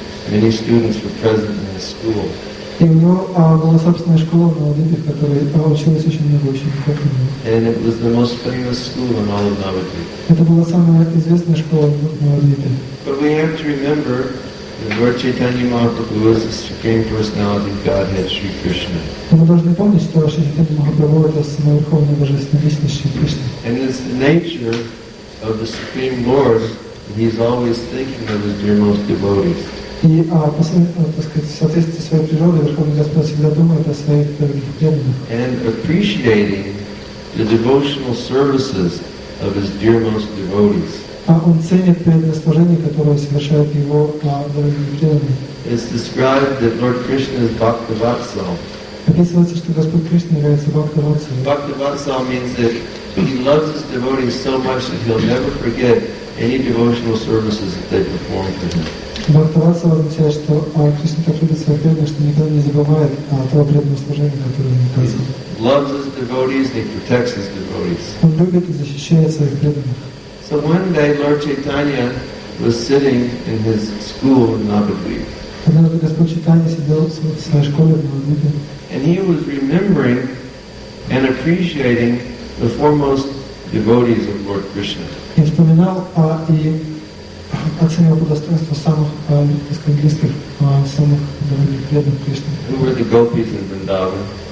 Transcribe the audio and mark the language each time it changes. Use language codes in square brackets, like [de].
[en] Many students were present in his school. And it was the most famous school in all of Navadvip. But we have to remember that Lord Chaitanya Mahaprabhu is the Supreme Personality of Godhead, Sri Krishna. [ru] Мы должны помнить, что Чайтанья Махапрабху это самая верховная божественная личность Шри Кришна. [en] And it's the nature of the Supreme Lord that He's always thinking of His dear most devotees. [ru] И в соответствии с своей природой Верховный Господь всегда думает о своих преданных. [en] And appreciating the devotional services of His dear most devotees. [ru] А он ценит преданное служение, которое совершает его дорогие преданные. [en] It's described that Lord Krishna is Bhakta Vatsal. [ru] Описывается, что Господь Кришна является Бхакта Ватсалом. [en] Bhakta Vatsal means that he loves his devotees so much that he'll never forget any devotional services that they perform for him. [ru] Бхакта Ватсал означает, что Кришна так любит своих преданных, что никогда не забывает то преданное служение, которое они оказывают. [en] Loves his devotees, he protects his devotees. [ru] Он любит и защищает своих преданных. [en] So one day Lord Chaitanya was sitting in his school in Navadvip. And he was remembering and appreciating the foremost devotees of Lord Krishna. Who were the gopis in Vrindavan?